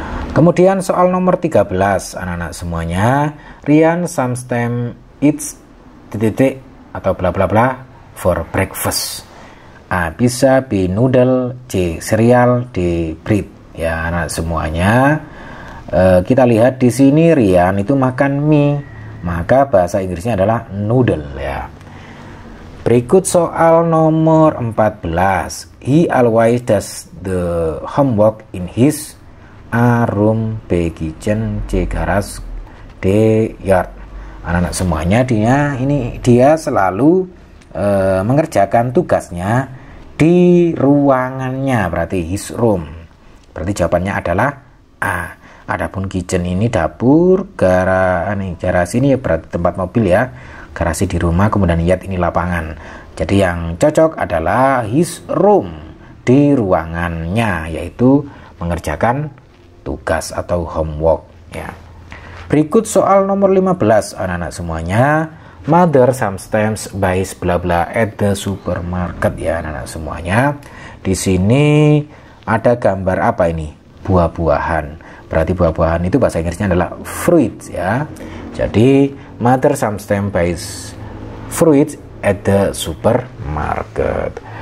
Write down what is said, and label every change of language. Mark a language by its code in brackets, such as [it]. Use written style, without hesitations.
[id] Kemudian soal nomor 13 anak-anak semuanya, [en] Rian sometimes eats [id] titik-titik atau bla bla bla [en] for breakfast. [id] A, pizza. [en] B, noodle. C, cereal. D, bread. [id] Ya anak semuanya, kita lihat di sini Rian itu makan mie, maka bahasa Inggrisnya adalah noodle ya. Berikut soal nomor 14. [en] He always does the homework in his A, room. B, kitchen. C, garage. D, yard. [id] Anak-anak semuanya, dia selalu mengerjakan tugasnya di ruangannya, berarti [en] his room. [id] Berarti jawabannya adalah A. Adapun kitchen ini dapur, garasi ini berarti tempat mobil ya. Garasi di rumah, kemudian yard ini lapangan. Jadi yang cocok adalah [en] his room, [id] di ruangannya, yaitu mengerjakan tugas atau homework ya. Berikut soal nomor 15 anak-anak semuanya, [en] mother sometimes buys bla bla at the supermarket [id] ya anak-anak semuanya. Di sini ada gambar apa ini? Buah-buahan. Berarti buah-buahan itu bahasa Inggrisnya adalah fruit ya. [en] Jadi mother sometimes buys fruit at the supermarket.